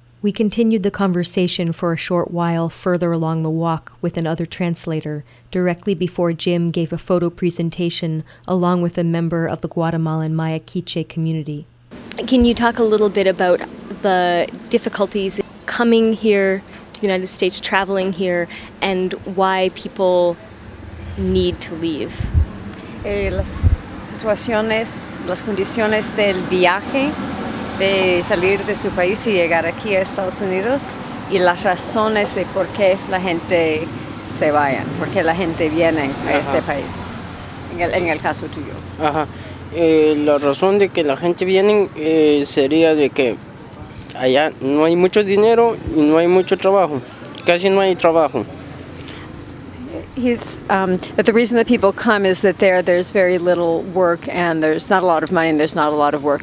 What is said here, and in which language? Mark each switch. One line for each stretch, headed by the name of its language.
English: We continued the conversation for a short while further along the walk with another translator, directly before Jim gave a photo presentation along with a member of the Guatemalan Maya Quiche community. Can you talk a little bit about the difficulties coming here to the United States, traveling here, and why people need to leave?
Spanish: Las situaciones, las condiciones del viaje, de salir de su país y llegar aquí a Estados Unidos, y las razones de por qué la gente se vayan, por qué la gente viene a este país, en el caso tuyo. Ajá. La razón de que la gente viene sería de que allá no hay mucho dinero y no hay mucho trabajo. Casi no hay trabajo.
English: That the reason that people come is that there's very little work and there's not a lot of money and there's not a lot of work.